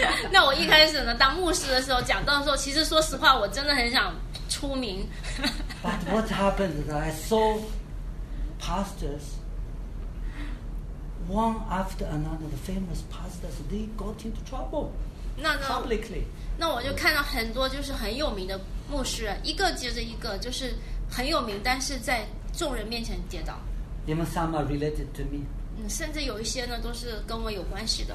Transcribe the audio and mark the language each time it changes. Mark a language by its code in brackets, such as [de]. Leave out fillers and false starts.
[zh] 那我一开始呢当牧师的时候讲到的时候，其实说实话我真的很想出名。 [en] But what happened is that I saw pastors, one after another, the famous pastors, they got into trouble. Publicly. [zh] 那我就看到很多就是很有名的牧师，一个接着一个，就是很有名，但是在众人面前跌倒。 [en] Even some are related to me. [zh] 甚至有一些呢都是跟我有关系的。